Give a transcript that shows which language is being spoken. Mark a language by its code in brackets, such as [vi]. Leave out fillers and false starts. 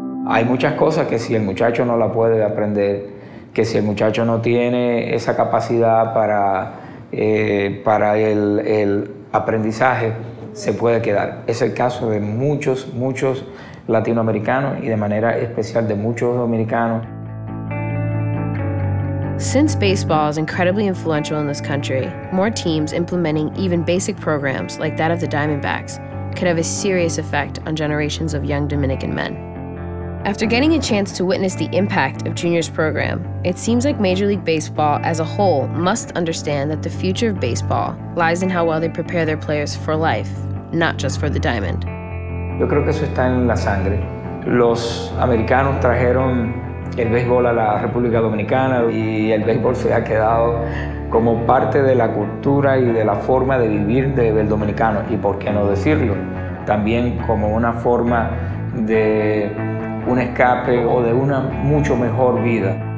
[es] Hay muchas cosas que si el muchacho no la puede aprender, que si el muchacho no tiene esa capacidad para el aprendizaje, se puede quedar. Es el caso de muchos, muchos latinoamericanos y de manera especial de muchos dominicanos. [en] Since baseball is incredibly influential in this country, more teams implementing even basic programs like that of the Diamondbacks could have a serious effect on generations of young Dominican men. After getting a chance to witness the impact of Junior's program, it seems like Major League Baseball as a whole must understand that the future of baseball lies in how well they prepare their players for life, not just for the diamond. [es] Yo creo que eso está en la sangre. Los americanos trajeron el béisbol a la República Dominicana y el béisbol se ha quedado como parte de la cultura y de la forma de vivir del dominicano. Y por qué no decirlo, también como una forma de un escape o de una mucho mejor vida.